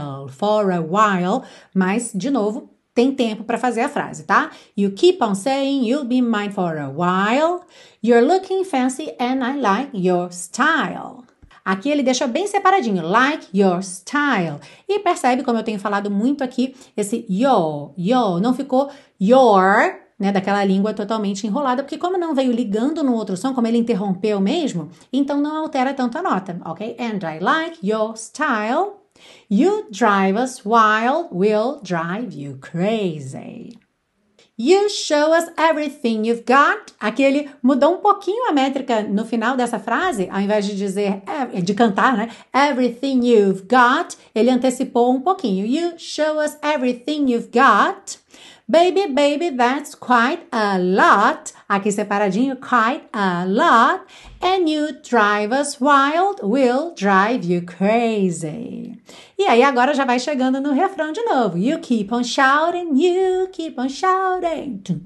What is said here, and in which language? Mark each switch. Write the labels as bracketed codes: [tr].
[en] For a while. [pt] Mas, de novo, tem tempo para fazer a frase, tá? [en] You keep on saying you'll be mine for a while. You're looking fancy and I like your style. [pt] Aqui ele deixa bem separadinho, [en] like your style. [pt] E percebe como eu tenho falado muito aqui, esse your, não ficou your, né, daquela língua totalmente enrolada, porque como não veio ligando no outro som, como ele interrompeu mesmo, então não altera tanto a nota, ok? [en] And I like your style. You drive us wild, we'll drive you crazy. You show us everything you've got. [pt] Aqui ele mudou um pouquinho a métrica no final dessa frase, ao invés de dizer, de cantar, né? [en] Everything you've got. [pt] Ele antecipou um pouquinho. [en] You show us everything you've got. Baby, baby, that's quite a lot. [pt] Aqui separadinho, quite a lot. [en] And you drive us wild, we'll drive you crazy. [pt] E aí agora já vai chegando no refrão de novo. [en] You keep on shouting, you keep on shouting.